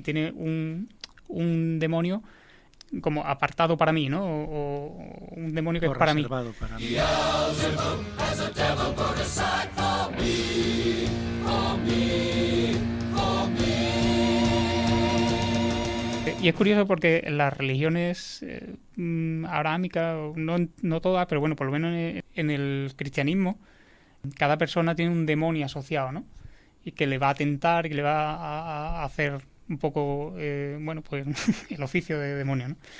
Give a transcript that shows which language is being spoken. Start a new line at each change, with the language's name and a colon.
Spanish: Tiene un demonio como apartado para mí, ¿no? O un demonio que o es para mí. Reservado para mí.
English: Beelzebub has a devil put aside for me.
Spanish: Y es curioso porque las religiones abrahámicas, no todas, pero bueno, por lo menos en el cristianismo, cada persona tiene un demonio asociado, ¿no? Y que le va a tentar y que le va a hacer un poco, bueno, pues el oficio de demonio, ¿no?